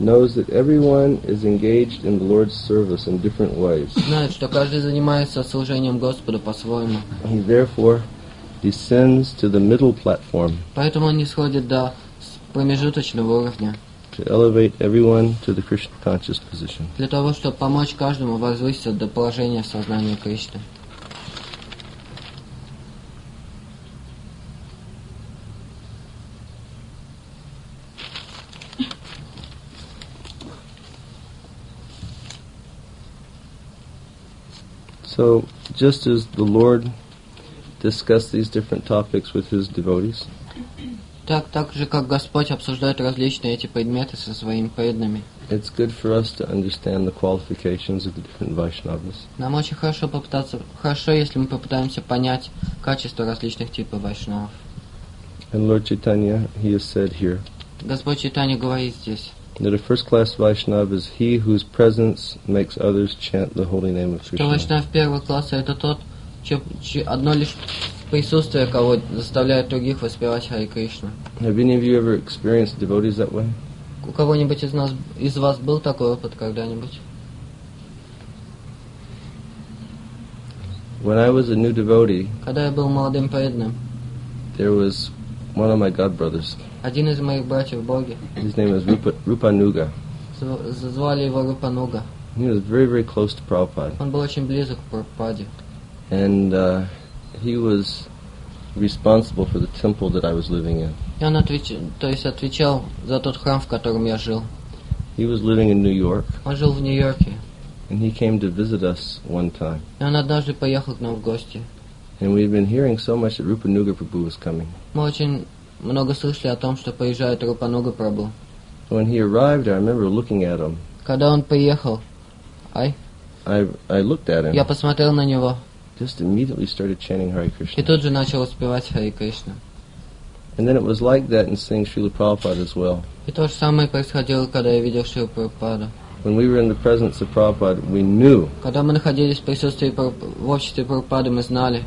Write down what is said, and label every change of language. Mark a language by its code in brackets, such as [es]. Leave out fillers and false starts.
[en] knows that everyone is engaged in the Lord's service in different ways. [ru] Знает, что каждый занимается служением Господу по-своему. [en] He therefore descends to the middle platform. [ru] Поэтому он нисходит до промежуточного уровня. [en] To elevate everyone to the Krishna conscious position. [ru] Для того, чтобы помочь каждому возвыситься до положения сознания Кришны. [en] So, just as the Lord discussed these different topics with his devotees, [ru] так же, как Господь обсуждает различные эти предметы со своими преданными, [en] it's good for us to understand the qualifications of the different Vaishnavas. [ru] Нам очень хорошо попытаться, хорошо, если мы попытаемся понять качество различных типов Вайшнавов. [en] And Lord Chaitanya, he has said here, [ru] Господь Чайтанья говорит здесь, [en] that a first-class Vaishnava is he whose presence makes others chant the holy name of Krishna. [ru] Vaishnava первого класса — это тот, чье одно лишь присутствие кого заставляет других воспевать Хари Кришну. [en] Have any of you ever experienced devotees that way? [ru] У кого-нибудь из нас, из вас был такой опыт когда-нибудь? [en] When I was a new devotee, [ru] когда я был молодым преданным, [en] there was one of my god brothers. [ru] Один из моих братьев Боги. [en] His name is Rupanuga. [ru] Звали его Rupanuga. [en] He was very, very close to Prabhupada. [ru] Он был очень близок к Прабхупаде. [en] And he was responsible for the temple that I was living in. [ru] И он отвечал за тот храм, в котором я жил. [en] He was living in New York. [ru] Он жил в Нью-Йорке. [en] And he came to visit us one time. [ru] И он однажды поехал к нам в гости. [en] And we've been hearing so much that Rupanuga Prabhu was coming. [ru] Мы очень много слышали о том, что приезжает Rupanuga Prabhu. [en] When he arrived, I remember looking at him. [ru] Когда он приехал, [en] I looked at him. [ru] Я посмотрел на него. [en] Just immediately started chanting Hare Krishna. [ru] И тут же начал воспевать Хари Кришна. [en] And then it was like that in seeing Srila Prabhupada as well. [ru] И то же самое происходило, когда я видел Шрилу Прабхупаду. [en] When we were in the presence of Prabhupada, we knew. [ru] Когда мы находились в присутствии в обществе Прабхупады, мы знали.